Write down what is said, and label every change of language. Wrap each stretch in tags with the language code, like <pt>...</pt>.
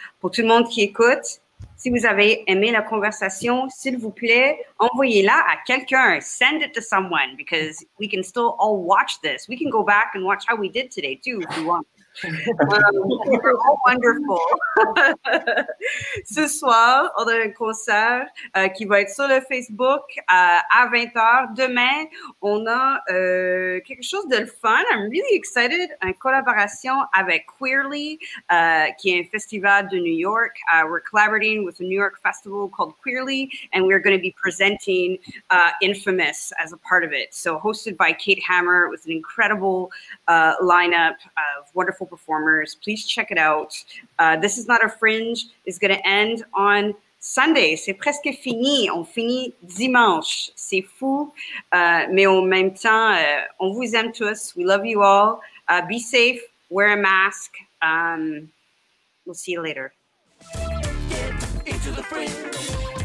<fr>Pour tout le monde qui écoute, si vous avez aimé la conversation, s'il vous plaît, envoyez-la à quelqu'un.</fr> <en>Send it to someone, because we can still all watch this. We can go back and watch how we did today, too, if you want. You're all wonderful.</en> <fr>Ce soir, on a un concert qui va être sur le Facebook à 20h. Demain, on a quelque chose de fun.</fr> <en>I'm really excited.</en> <fr>Une collaboration avec Queerly, qui est un festival de New York.</fr> <en>We're collaborating with a New York festival called Queerly, and we're going to be presenting Infamous as a part of it. So hosted by Kate Hammer with an incredible lineup of wonderful performers. Please check it out. This is not a fringe. It's going to end on Sunday.</en> <fr>C'est presque fini. On finit dimanche. C'est fou. Mais en même temps, on vous aime tous.</fr> <en>We love you all. Be safe. Wear a mask. We'll see you later. Get into the fringe.</en>